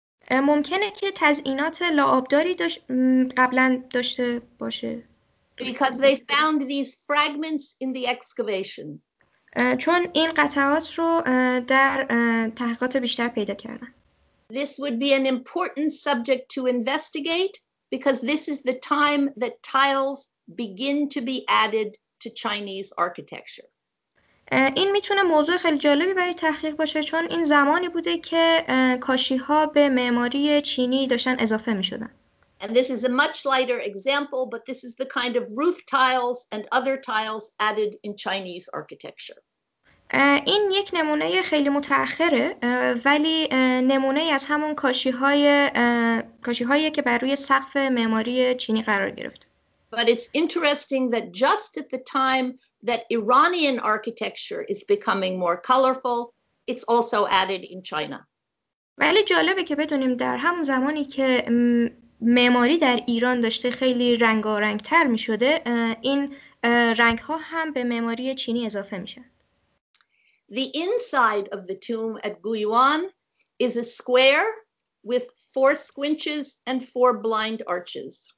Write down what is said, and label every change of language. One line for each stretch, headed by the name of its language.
Persian: ممکنه که تزئینات لاابداری قبلا داشته باشه.
English: Because they found these fragments in the excavation.
Persian: چون این قطعات رو در تحقیقات بیشتر پیدا کردن.
English: This would be an important subject to investigate because this is the time that tiles begin to be added to Chinese architecture.
Persian: این میتونه موضوع خیلی جالبی برای تحقیق باشه چون این زمانی بوده که کاشی‌ها به معماری چینی داشتن اضافه می‌شدن.
English: And this is a much lighter example, but this is the kind of roof tiles and other tiles added in Chinese architecture.
Persian: این یک نمونه خیلی متأخره، ولی نمونه از همون کاشی‌هایی که بر روی سقف معماری چینی قرار گرفت.
English: But it's interesting that just at the time that Iranian architecture is becoming more colorful, it's also added in China.
Persian: ولی جالبه که بدونیم در همون زمانی که معماری در ایران داشته خیلی رنگارنگ‌تر می‌شده، این رنگ‌ها هم به معماری چینی اضافه می‌شن.
English: The inside of the tomb at Guyuan is a square with four squinches and four blind arches.